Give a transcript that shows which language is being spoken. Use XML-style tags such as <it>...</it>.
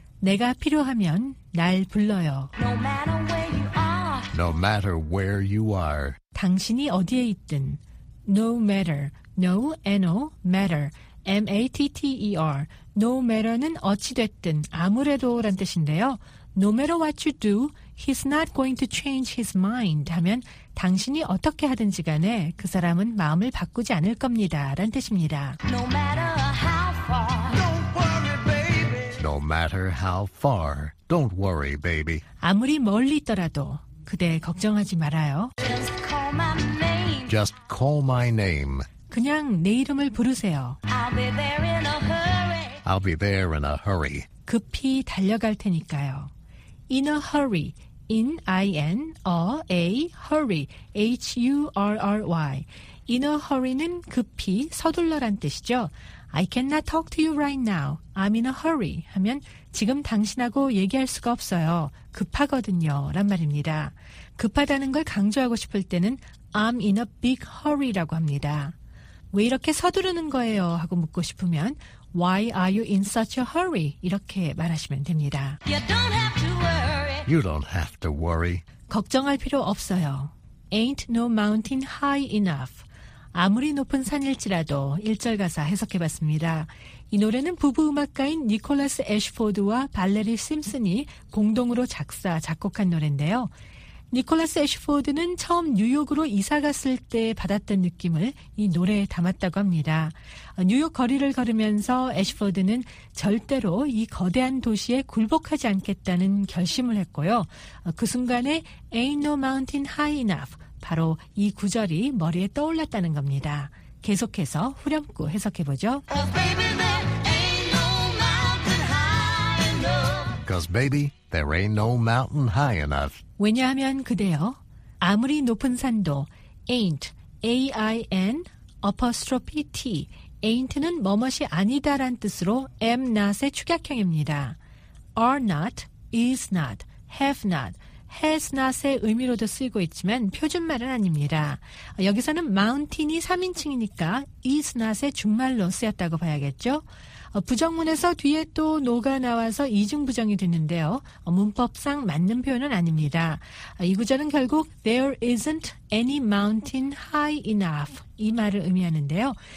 <ko>내가 필요하면 날 불러요.</ko> <en>No matter where you are. No matter where you are.</en> <ko>당신이 어디에 있든.</ko> <en>No matter. No, N-O, matter. M-A-T-T-E-R. No matter</en> <ko>는 어찌됐든, 아무래도란 뜻인데요.</ko> <en>No matter what you do, he's not going to change his mind</en> <ko>하면 당신이 어떻게 하든지 간에 그 사람은 마음을 바꾸지 않을 겁니다. 라는 뜻입니다.</ko> <en>No matter how far, don't worry, baby. No matter how far, don't worry, baby.</en> <ko>아무리 멀리 있더라도 그대 걱정하지 말아요.</ko> <en>Just call my name. Just call my name.</en> <ko>그냥 내 이름을 부르세요.</ko> <en>I'll be there in a hurry. I'll be there in a hurry.</en> <ko>급히 달려갈 테니까요.</ko> <en>In a hurry. In, I-N, a, a, hurry. H-U-R-R-Y. In a hurry</en> <ko>는 급히, 서둘러란 뜻이죠.</ko> <en>I cannot talk to you right now. I'm in a hurry.</en> <ko>하면 지금 당신하고 얘기할 수가 없어요. 급하거든요. 란 말입니다. 급하다는 걸 강조하고 싶을 때는</ko> <en>I'm in a big hurry</en> <ko>라고 합니다. 왜 이렇게 서두르는 거예요? 하고 묻고 싶으면</ko> <en>Why are you in such a hurry?</en> <ko>이렇게 말하시면 됩니다.</ko> <en>You don't have to worry. You don't have to worry.</en> <ko>걱정할 필요 없어요.</ko> <en>Ain't no mountain high enough.</en> <ko>아무리 높은 산일지라도 1절 가사 해석해봤습니다. 이 노래는 부부 음악가인 니콜라스 애쉬포드와 발레리 심슨이 공동으로 작사, 작곡한 노래인데요. 니콜라스 애쉬포드는 처음 뉴욕으로 이사 갔을 때 받았던 느낌을 이 노래에 담았다고 합니다. 뉴욕 거리를 걸으면서 애쉬포드는 절대로 이 거대한 도시에 굴복하지 않겠다는 결심을 했고요. 그 순간에</ko> <en>Ain't no mountain high enough,</en> <ko>바로 이 구절이 머리에 떠올랐다는 겁니다. 계속해서 후렴구 해석해보죠.</ko> <en>Oh, baby, there ain't no mountain high enough. 'Cause baby, there ain't no mountain high enough.</en> <ko>왜냐하면 그대여, 아무리 높은 산도</ko> <en>ain't, A-I-N, apostrophe T, ain't는</en> <ko>뭐뭇이 아니다 란 뜻으로</ko> <en>am not의</en> <ko>축약형입니다.</ko> <en>are not, is not, have not, has not</en> <ko>의 의미로도 쓰이고 있지만 표준말은 아닙니다. 여기서는 mountain이 3인칭이니까</ko> <en>is not</en> <ko>의 준말로 쓰였다고 봐야겠죠. 부정문에서 뒤에 또 no가 나와서 이중부정이 됐는데요. 문법상 맞는 표현은 아닙니다. 이 구절은 결국</ko> <en>there isn't any mountain high enough</en> <ko>이 말을 의미하는데요.</ko>